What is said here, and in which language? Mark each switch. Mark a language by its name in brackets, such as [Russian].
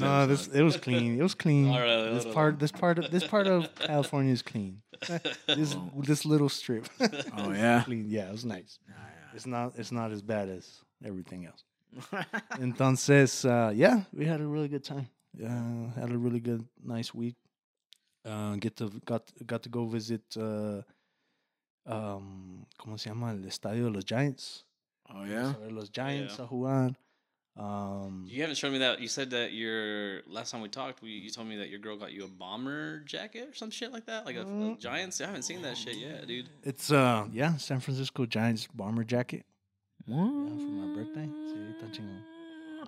[English] episode. No, it was clean. It was clean. All right, this part of California is clean. This little strip. Oh, yeah? Clean. Yeah, it was nice. It's not as bad as everything else. Entonces, yeah, we had a really good time. Had a really good, nice week. Got to go visit, [Spanish] ¿cómo se llama? El Estadio de los Giants. [English] Oh, yeah? Los Giants, yeah. A Juan. You haven't shown me that. You said that your last time we talked, you told me that your girl got you a bomber jacket or some shit like that? Like a Giants? I haven't seen that shit yet, dude. It's, San Francisco Giants bomber jacket. What? Yeah, for my birthday. [Spanish] Sí, está chingón.